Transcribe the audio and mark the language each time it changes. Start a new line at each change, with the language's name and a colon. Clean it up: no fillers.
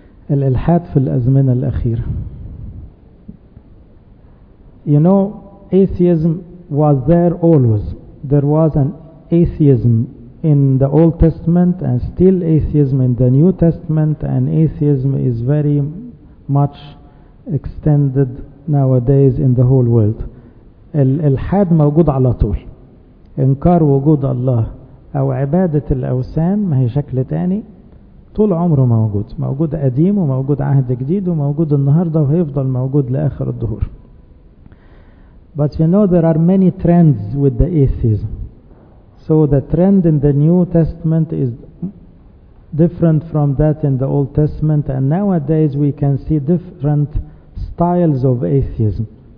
Arabic: الإلحاد في الأزمنة الأخيرة.
English: You know, atheism was there always. There was an atheism in the Old Testament and still atheism in the New Testament, and atheism is very much extended nowadays in the whole world.
Arabic: الإلحاد موجود على طول. إنكار وجود الله أو عبادة الأوثان ما هي شكل تاني طول عمره موجود، موجود قديم وموجود عهد جديد وموجود النهاردة وهيفضل موجود لآخر الدهور.
English: But you know there are many trends with the atheism. So the trend in the New Testament is different from that in the Old Testament, and nowadays we can see different styles of atheism.